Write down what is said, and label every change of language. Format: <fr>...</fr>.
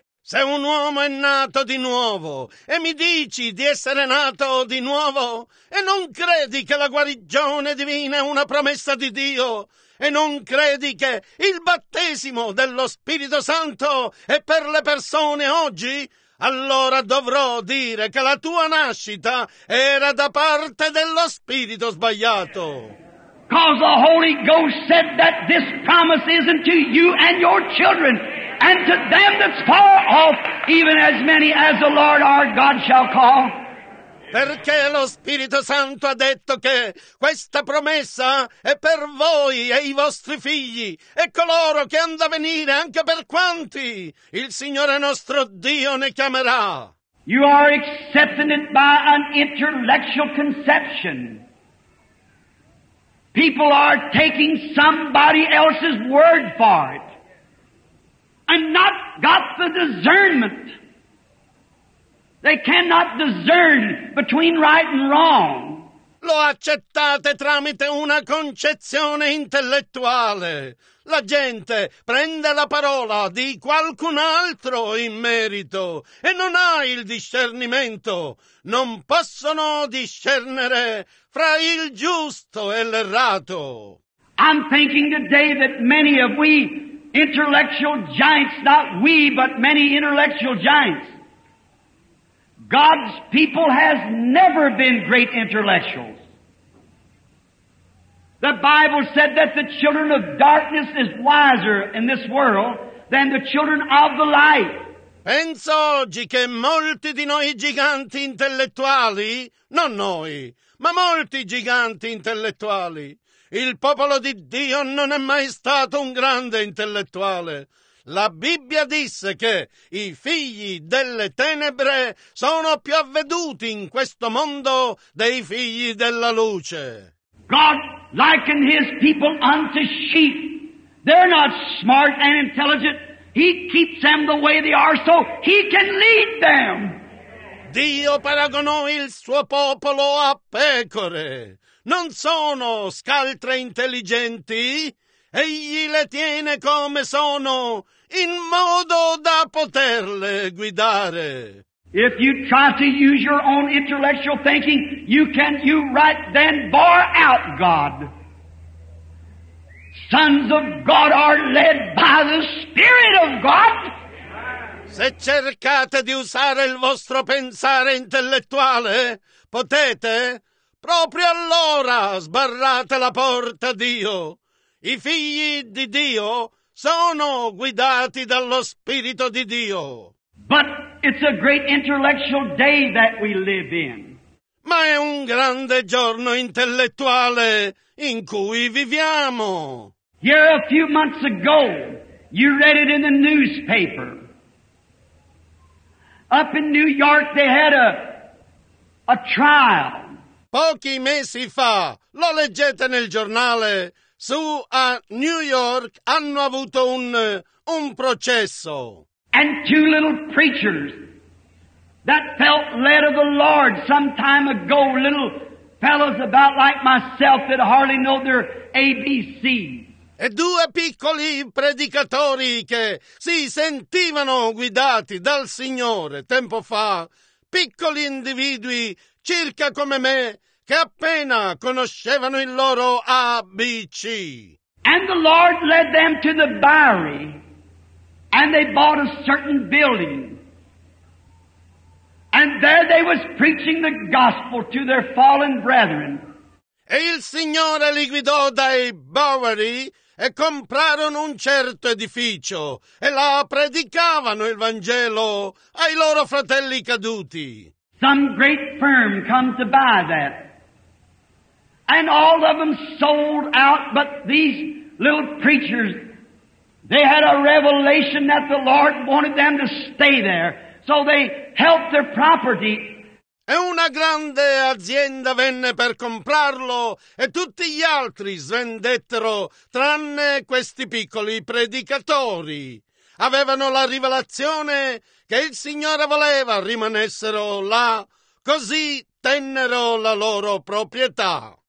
<it>Se un uomo è nato di nuovo e mi dici di essere nato di nuovo e non credi che la guarigione divina è una promessa di Dio e non credi che il battesimo dello Spirito Santo è per le persone oggi, allora dovrò dire che la tua nascita era da parte dello spirito sbagliato.</it> <en>Because the Holy Ghost said that this promise is unto you and your children, and to them that's far off, even as many as the Lord our God shall call.</en> <it>Perché lo Spirito Santo ha detto che questa promessa è per voi e i vostri figli e coloro che hanno da venire, anche per quanti il Signore nostro Dio ne chiamerà.</it> <en>You are accepting it by an intellectual conception. People are taking somebody else's word for it and not got the discernment. They cannot discern between right and wrong.</en> <it>Lo accettate tramite una concezione intellettuale. La gente prende la parola di qualcun altro in merito e non ha il discernimento. Non possono discernere fra il giusto e l'errato.</it> <en>I'm thinking today that many of we intellectual giants, not we, but many intellectual giants, God's people has never been great intellectuals. The Bible said that the children of darkness is wiser in this world than the children of the light.</en> <it>Penso oggi che molti di noi giganti intellettuali, non noi, ma molti giganti intellettuali, il popolo di Dio non è mai stato un grande intellettuale. La Bibbia disse che i figli delle tenebre sono più avveduti in questo mondo dei figli della luce.</it> <en>God likened his people unto sheep. They're not smart and intelligent. He keeps them the way they are so he can lead them.</en> <it>Dio paragonò il suo popolo a pecore. Non sono scaltre intelligenti. Egli le tiene come sono, in modo da poterle guidare.</it> <en>If you try to use your own intellectual thinking, you right then bar out God. Sons of God are led by the Spirit of God.</en> <it>Se cercate di usare il vostro pensare intellettuale, potete, proprio allora sbarrate la porta a Dio. I figli di Dio sono guidati dallo Spirito di Dio.</it> <en>But it's a great intellectual day that we live in.</en> <it>Ma è un grande giorno intellettuale in cui viviamo.</it> <en>Here a few months ago, you read it in the newspaper. Up in New York they had a trial.</en> <it>Pochi mesi fa, lo leggete nel giornale, su a New York hanno avuto un processo.</it> <en>And two little preachers that felt led of the Lord some time ago, little fellows about like myself that hardly know their ABCs.</en> <it>E due piccoli predicatori che si sentivano guidati dal Signore tempo fa, piccoli individui circa come me, che appena conoscevano il loro ABC.</it> <en>And the Lord led them to the Bowery, and they bought a certain building. And there they was preaching the gospel to their fallen brethren.</en> <it>E il Signore li guidò dai Bowery e comprarono un certo edificio e là predicavano il Vangelo ai loro fratelli caduti.</it> <en>Some great firm come to buy that. And all of them sold out, but these little preachers, they had a revelation that the Lord wanted them to stay there. So they held their property.</en> <it>E una grande azienda venne per comprarlo e tutti gli altri svendettero, tranne questi piccoli predicatori. Avevano la rivelazione che il Signore voleva rimanessero là, così tennero la loro proprietà.</it>